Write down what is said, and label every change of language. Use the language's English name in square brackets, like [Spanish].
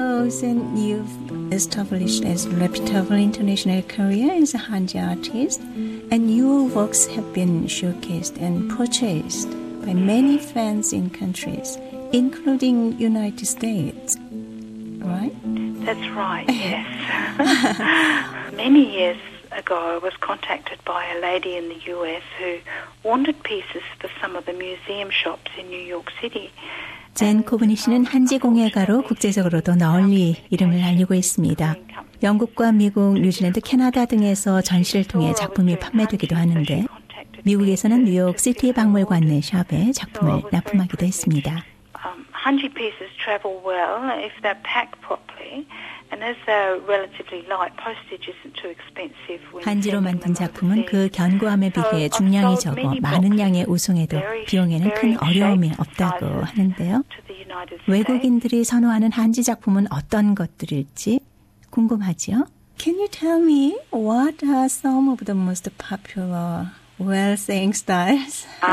[English] 선생님, you've established a reputable international career as a Hanji artist, and your works have been showcased and purchased by many fans in countries, including United States, right? That's right, yes. Many years ago, I was contacted by a lady in the US who wanted pieces for some of the museum shops in New York City. [Korean] 젠 코브니 씨는 한지 공예가로 국제적으로도 널리 이름을 알리고 있습니다. 영국과 미국, 뉴질랜드, 캐나다 등에서 전시를 통해 작품이 판매되기도 하는데 미국에서는 뉴욕 시티 박물관 내 샵에 작품을 납품하기도 했습니다. [English] Hanji pieces travel well if they're packed properly and as they're relatively light, postage isn't too expensive. [Korean] 한지로 만든 작품은 그 견고함에 비해 중량이 적어 많은 양의 우송에도 비용에는 큰 어려움이 없다고 하는데요. 외국인들이 선호하는 한지 작품은 어떤 것들일지 궁금하지요? [English] Can you tell me what are some of the most popular well-saying styles?